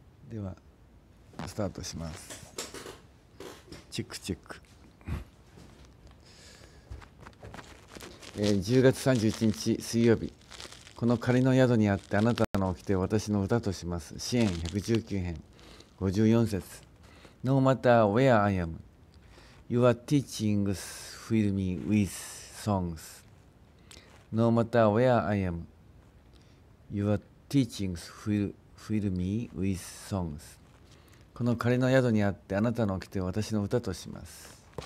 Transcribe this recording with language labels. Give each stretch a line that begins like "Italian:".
Japanese: ではスタートします。チェックチェック。 10月31日水曜日、この仮の宿にあってあなたの掟を私の歌とします。詩編119編54節。
English: No matter where I am, your teachings fill me with songs. No matter where I am, your teachings fill me with songs.
Japanese: この仮の宿にあってあなたの掟を私の歌とします。